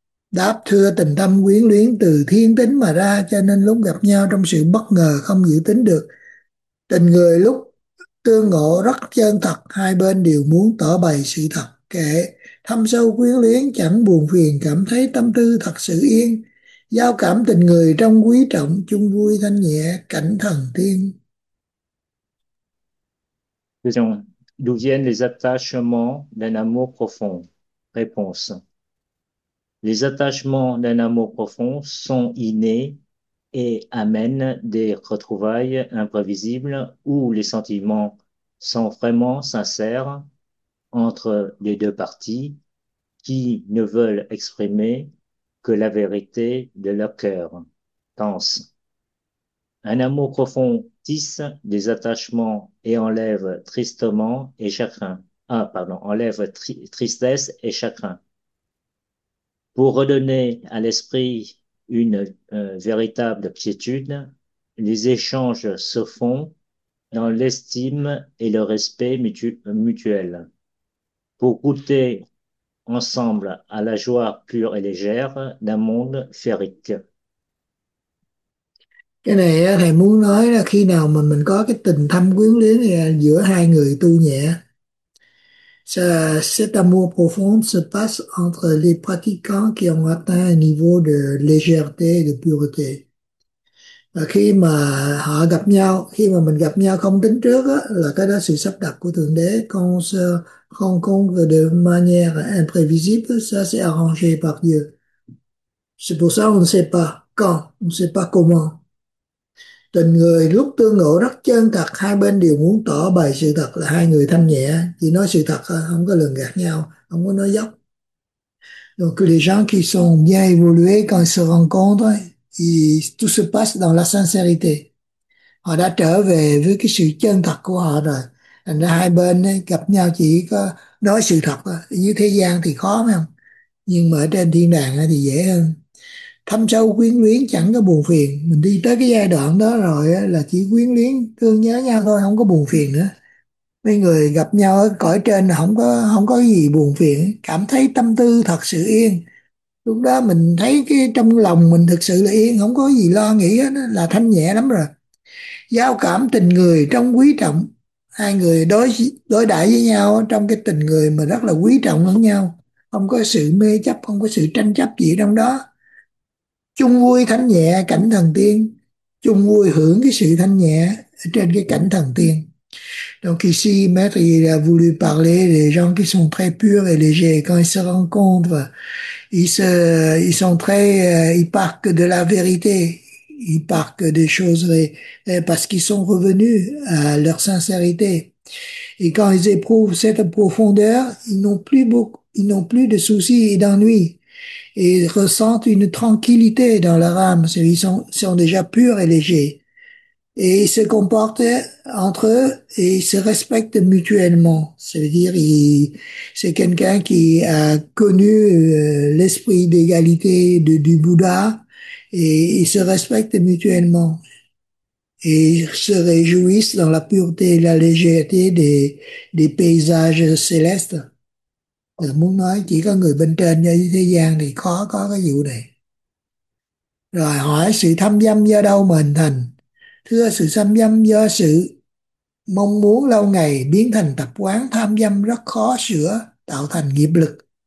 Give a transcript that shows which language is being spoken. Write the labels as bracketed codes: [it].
[vi] Đáp, thưa tình thâm quyến luyến từ thiên tính mà ra, cho nên lúc gặp nhau trong sự bất ngờ không dự tính được, tình người lúc tương ngộ rất chân thật, hai bên đều muốn tỏ bày sự thật, kể thâm sâu quyến luyến chẳng buồn phiền, cảm thấy tâm tư thật sự yên, giao cảm tình người trong quý trọng, chung vui thanh nhẹ cảnh thần tiên. [fr] D'où viennent les attachements d'un amour profond? Réponse. Les attachements d'un amour profond sont innés et amènent des retrouvailles imprévisibles où les sentiments sont vraiment sincères entre les deux parties qui ne veulent exprimer que la vérité de leur cœur. Tense. Un amour profond tisse des attachements et enlève tristement et chagrin. Ah, pardon, enlève tristesse et chagrin. Pour redonner à l'esprit une véritable quiétude, les échanges se font dans l'estime et le respect mutuel. Pour goûter ensemble à la joie pure et légère d'un monde féerique. [vi] Cái này á, thầy muốn nói là khi nào mà mình có cái tình thâm quyến luyến giữa hai người tu nhẹ [fr] Cet amour profond se passe entre les pratiquants qui ont atteint un niveau de légèreté et de pureté. [vi] Khi mà họ gặp nhau, khi mà mình gặp nhau không tính trước đó, là cái đó sự sắp đặt của Thượng Đế, con [fr] de manière imprévisible, ça s'est arrangé par Dieu. C'est pour ça on ne sait pas quand, on ne sait pas comment. [vi] Tình người lúc tương ngộ rất chân thật, hai bên đều muốn tỏ bày sự thật là hai người thanh nhẹ, chỉ nói sự thật thôi, không có lường gạt nhau, không có nói dối. [fr] Donc les gens qui sont bien évolués quand ils se rencontrent, tout se passe dans la sincérité. [vi] Họ đã trở về với cái sự chân thật của họ rồi. Thành ra hai bên ấy, gặp nhau chỉ có nói sự thật thôi. Dưới thế gian thì khó phải không? Nhưng mà ở trên thiên đàng thì dễ hơn. Thâm sâu quyến luyến chẳng có buồn phiền, mình đi tới cái giai đoạn đó rồi á, là chỉ quyến luyến thương nhớ nhau thôi, không có buồn phiền nữa. Mấy người gặp nhau ở cõi trên không có gì buồn phiền, cảm thấy tâm tư thật sự yên. Lúc đó mình thấy cái trong lòng mình thực sự là yên, không có gì lo nghĩ hết, là thanh nhẹ lắm rồi. Giao cảm tình người trong quý trọng, hai người đối đãi với nhau trong cái tình người mà rất là quý trọng lẫn nhau, không có sự mê chấp, không có sự tranh chấp gì trong đó. Chung vui thanh nhẹ cảnh thần tiên, chung vui hưởng cái sự thanh nhẹ trên cái cảnh thần tiên. [fr] Donc ici, Maître, il a voulu parler des gens qui sont très purs et légers. Quand ils se rencontrent, ils partent de la vérité, ils partent des choses parce qu'ils sont revenus à leur sincérité. Et quand ils éprouvent cette profondeur, ils n'ont plus de soucis et d'ennuis. Et ressentent une tranquillité dans leur âme. Ils sont déjà purs et légers. Et ils se comportent entre eux et ils se respectent mutuellement. C'est-à-dire, c'est quelqu'un qui a connu l'esprit d'égalité du Bouddha et ils se respectent mutuellement. Et ils se réjouissent dans la pureté et la légèreté des paysages célestes. [vi] Muốn nói chỉ có người bên trên như thế gian thì khó có cái vụ này. Rồi hỏi sự tham dâm do đâu mà hình thành? Thưa, sự tham dâm do sự mong muốn lâu ngày biến thành tập quán tham dâm rất khó sửa, tạo thành nghiệp lực.